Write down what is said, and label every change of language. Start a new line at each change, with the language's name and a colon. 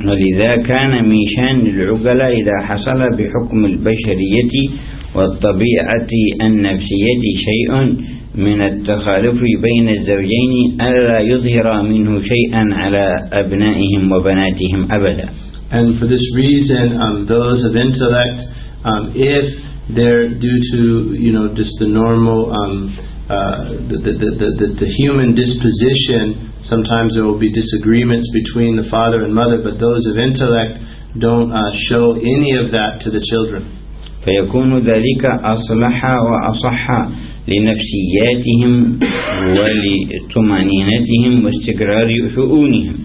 Arabic: ولذا كان من شأن العقلاء إذا حصل بحكم البشرية والطبيعة النفسية شيء من التخالف بين الزوجين ألا يظهر منه شيئا على أبنائهم وبناتهم أبدا.
English: And for this reason, those of intellect, if they're due to, you know, just the normal, the human disposition, sometimes there will be disagreements between the father and mother, but those of intellect don't show any of that to the children.
Arabic: فيكون ذلك أصلح وأصح لنفسياتهم ولطمأنينتهم واستقرار شؤونهم.